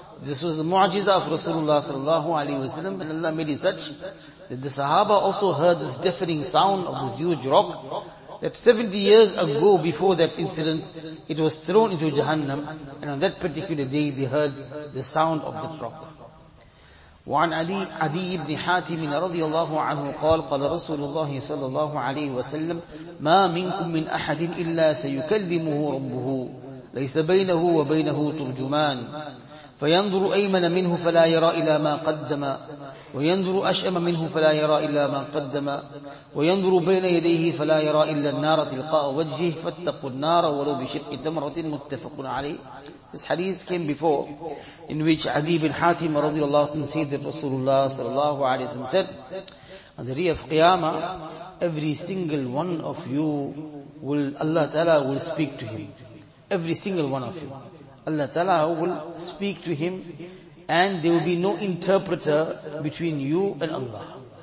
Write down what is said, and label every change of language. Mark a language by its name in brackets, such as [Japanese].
[English] This was the mu'ajiza of Rasulullah sallallahu alaihi wasallam, and Allah made it such that the Sahaba also heard this deafening sound of this huge rock. That 70 years ago, before that incident, it was thrown into Jahannam, and on that particular day, they heard the sound of the rock. [Arabic] وعن عدي بن حاتم رضي الله عنه قال قال رسول الله صلى الله عليه وسلم ما منكم من أحد إلا سيكلمه ربه ليس بينه وبينه ترجمان فينظر أيمن منه فلا يرى إلى ما قدم وينظر أشأم منه فلا يرى إلا ما قدم وينظر بين يديه فلا يرى إلا النار تلقاء وجهه فاتقوا النار ولو بشق تمرة متفق عليه. [English] This hadith came before in which Adi bin Hatim [Arabic] رضي الله عنه [English] said that Rasulullah [Arabic] صلى الله عليه وسلم [English] said on the day of Qiyamah every single one of you will Allah Ta'ala will speak to him. Every single one of you. Allah Ta'ala will speak to him and there will be no interpreter between you and Allah.